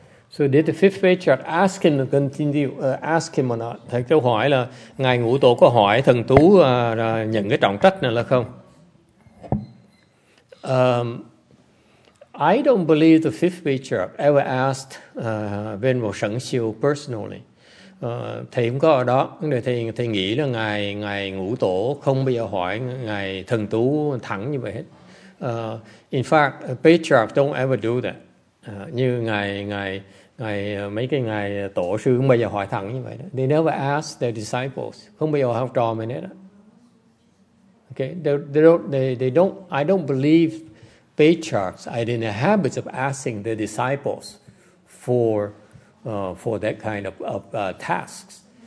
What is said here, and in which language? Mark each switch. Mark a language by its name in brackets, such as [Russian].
[English] So did the fifth patriarch ask him to continue, ask him or not? [Vietnamese] Thầy câu hỏi là ngài ngũ tổ có hỏi thần tú nhận cái trọng trách này là không? [English] I don't believe the fifth patriarch ever asked Venerable Sẵn Siêu personally. [Vietnamese] Thầy không có ở đó. Thầy nghĩ là ngài ngũ tổ không bao giờ hỏi ngài thần tú thẳng như vậy hết. [English] In fact, a patriarch don't ever do that. [Vietnamese] Ngài mấy cái ngài tổ sư không bao giờ hỏi thẳng như vậy đó. [English] They never ask their disciples, [Vietnamese] không bao giờ học trò mình hết đó. [English] Okay, they don't. I don't believe patriarchs are in the habit of asking their disciples for that kind of tasks.